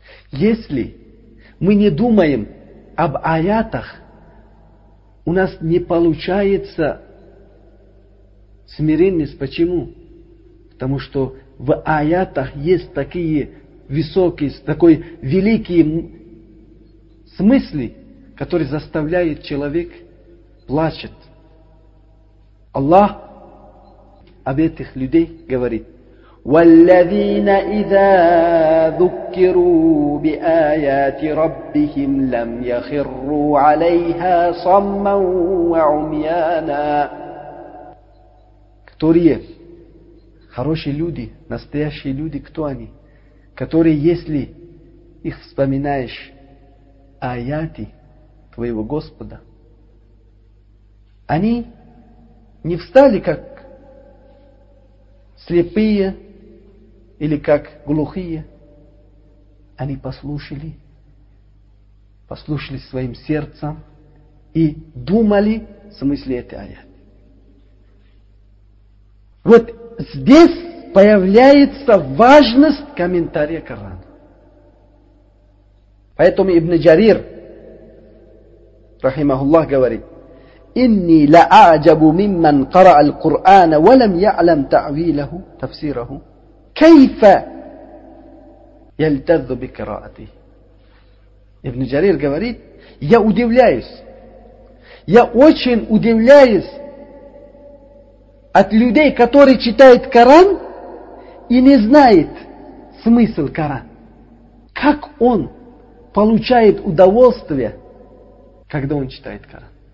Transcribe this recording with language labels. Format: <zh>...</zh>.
<ru>Если мы не думаем об аятах, у нас не получается смиренность. Почему? Потому что в аятах есть такие высокие, такой великие смыслы, которые заставляют человек плачет. Аллах об этих людей говорит:</ru> <ar>والذين إذا ذكروا بآيات ربهم لم يخروا عليها صما وعميانا.</ar> <ru>Которые хорошие люди, настоящие люди, кто они? Которые, если их вспоминаешь, аяты твоего Господа, они не встали как слепые или как глухие, они послушали, послушали своим сердцем и думали в смысле этой аяты. Вот здесь появляется важность комментария Корана. Поэтому Ибн Джарир, рахимахуллах, говорит:</ru> <ar>إني لأعجب ممن قرأ القرآن ولم يعلم تعويله تفسيره كيف يلتذ بقراءته.</ar> <ru>Ибн Джарир говорит: я удивляюсь, я очень удивляюсь от людей, которые читают Коран и не знают смысл Корана. Как он получает удовольствие, когда он читает Коран?</ru>